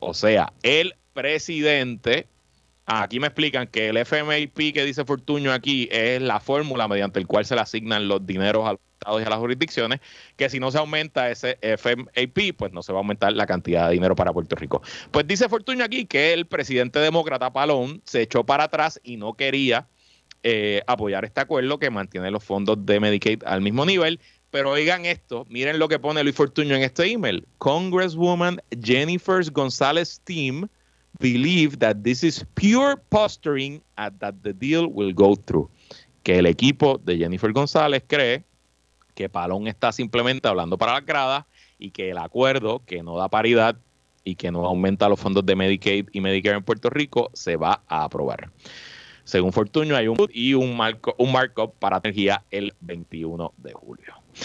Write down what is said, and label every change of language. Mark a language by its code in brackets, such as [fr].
[es] O sea, el presidente, aquí me explican que el FMIP que dice Fortuño aquí es la fórmula mediante el cual se le asignan los dineros a los estados y a las jurisdicciones, que si no se aumenta ese FMIP, pues no se va a aumentar la cantidad de dinero para Puerto Rico. Pues dice Fortuño aquí que el presidente demócrata Palón se echó para atrás y no quería apoyar este acuerdo que mantiene los fondos de Medicaid al mismo nivel. Pero oigan esto, miren lo que pone Luis Fortuño en este email. [en] Congresswoman Jennifer González team believe that this is pure posturing and that the deal will go through. [es] Que el equipo de Jennifer González cree que Palón está simplemente hablando para las gradas y que el acuerdo que no da paridad y que no aumenta los fondos de Medicaid y Medicare en Puerto Rico se va a aprobar. Según Fortuño, hay un markup para energía el 21 de julio.